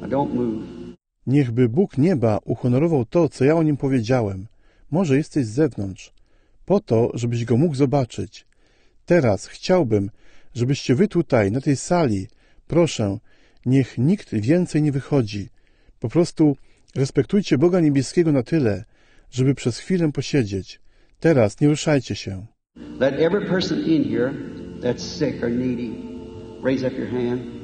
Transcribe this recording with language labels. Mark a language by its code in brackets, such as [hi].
[en] Now don't move. [pl] Niechby Bóg nieba uhonorował to, co ja o nim powiedziałem. Może jesteś z zewnątrz, po to, żebyś go mógł zobaczyć. Teraz chciałbym, żebyście wy tutaj, na tej sali, proszę, niech nikt więcej nie wychodzi. Po prostu respektujcie Boga niebieskiego na tyle, żeby przez chwilę posiedzieć. Teraz nie ruszajcie się. [en] Let every person in here that's sick or needy raise up your hand.